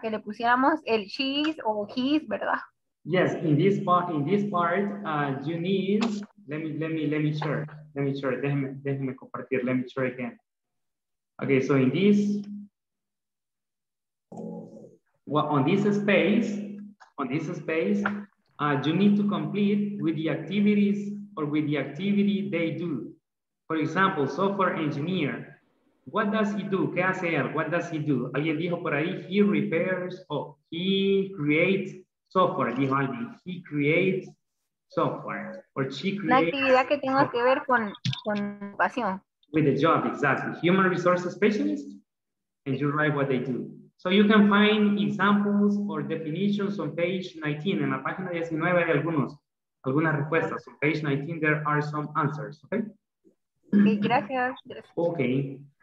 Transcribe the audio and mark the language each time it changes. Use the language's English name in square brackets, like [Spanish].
[Spanish] Que le pusiéramos el she's o his, ¿verdad? [English] Yes, in this part, you need, [Spanish] déjeme compartir, [English] let me share again. Okay, so in this, on this space, you need to complete with the activities or with the activity they do. For example, software engineer, what does he do? [Spanish] ¿Qué hace él? [English] What does he do? [Spanish] Alguien dijo por ahí, [English] he repairs or he creates software. [Spanish] Dijo alguien, [English] he creates software or she creates. [Spanish] La actividad que tenga software. Que ver con pasión. [English] With the job, exactly. Human resource specialist, and you write what they do. So you can find examples or definitions on page 19. [Spanish] En la página 19 hay algunas respuestas. [English] On page 19, there are some answers, okay? [Spanish] Okay, gracias. Okay.